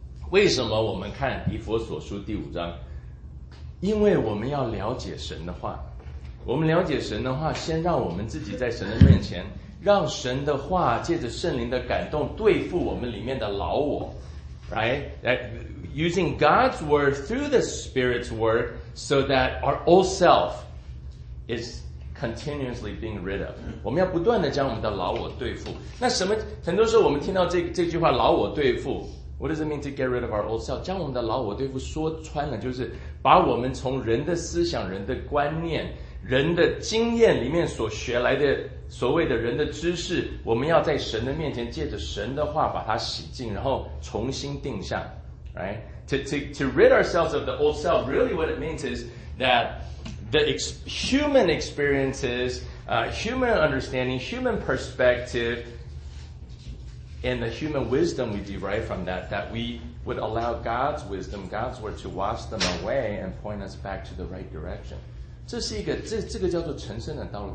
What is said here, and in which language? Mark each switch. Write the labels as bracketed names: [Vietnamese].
[Chinese] 为什么我们看以弗所书第五章？因为我们要了解神的话。我们了解神的话，先让我们自己在神的面前，让神的话借着圣灵的感动对付我们里面的老我， right? [English] Using God's word through the Spirit's word so that our old self is continuously being rid of. [Chinese] 我们要不断地将我们的老我对付。那什么，很多时候我们听到这句话，老我对付， [English] What does it mean to get rid of our old self? [Chinese] 将我们的老我对付，说穿了就是把我们从人的思想、人的观念、人的经验里面所学来的所谓的人的知识，我们要在神的面前借着神的话把它洗净，然后重新定向， right? [English] To rid ourselves of the old self, really what it means is that the human experiences, human understanding, human perspective, and the human wisdom we derive from that, that we would allow God's wisdom, God's word to wash them away and point us back to the right direction. [Chinese] 这是一个这个叫做成圣的道路。